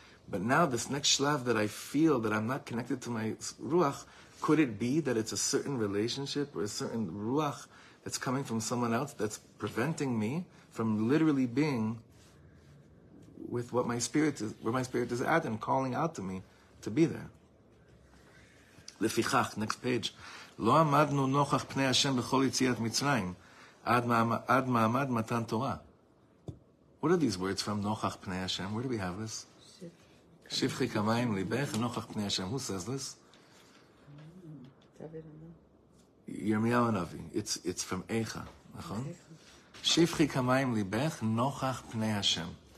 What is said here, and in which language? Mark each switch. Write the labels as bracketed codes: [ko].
[en] But now this next shlav that I feel that I'm not connected to my ruach, could it be that it's a certain relationship or a certain ruach that's coming from someone else that's preventing me from literally being with what my spirit is, where my spirit is at, and calling out to me to be there? [he] לפיכך, [en] next page, [he] לא עמדנו נוכח פני השם בכל יציאת מצרים עד מעמד מתן תורה. [en] What are these words from [he] נוכח פני השם? [en] Where do we have this? [he] שפחי כמיים ליבך נוכח פני השם. [en] Who says this? [he] ירמיהו הנביא. [en] It's from Eicha, [he] נכון? שפחי כמיים ליבך נוכח פני השם.